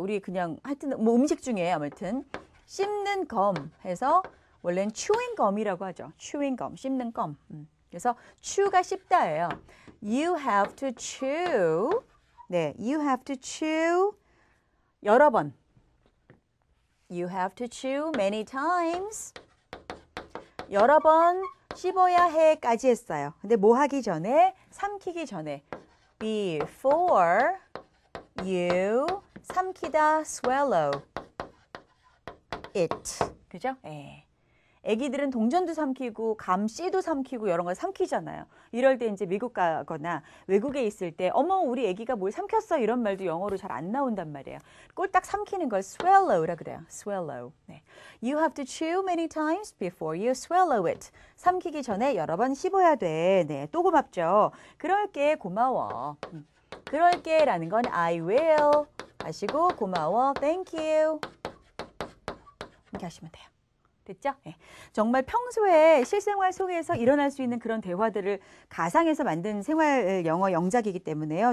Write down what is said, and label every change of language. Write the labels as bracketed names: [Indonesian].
[Korean] 우리 그냥 하여튼 뭐 음식 중에 아무튼 씹는 gum 해서 원래는 chewing gum이라고 하죠. chewing gum, 씹는 껌. 그래서 chew가 씹다예요. [English] You have to chew. 네, you have to chew [Korean] 여러 번. [English] You have to chew many times. [Korean] 여러 번 씹어야 해까지 했어요. 근데 뭐 하기 전에? 삼키기 전에. [English] Before you [Korean] 삼키다 [English] swallow it. [Korean] 그죠? 예. 애기들은 동전도 삼키고, 감 씨도 삼키고, 이런 걸 삼키잖아요. 이럴 때 이제 미국 가거나 외국에 있을 때, 어머, 우리 애기가 뭘 삼켰어? 이런 말도 영어로 잘안 나온단 말이에요. 꼴딱 삼키는 걸 swallow라 그래요. [English] swallow. [Korean] 네. [English] You have to chew many times before you swallow it. [Korean] 삼키기 전에 여러 번 씹어야 돼. 네. 또 고맙죠? 그럴게, 고마워. 그럴게라는 건 [English] I will. [Korean] 아시고, 고마워. [English] Thank you. [Korean] 이렇게 하시면 돼요. 됐죠? 네. 정말 평소에 실생활 속에서 일어날 수 있는 그런 대화들을 가상에서 만든 생활 영어 영작이기 때문에요.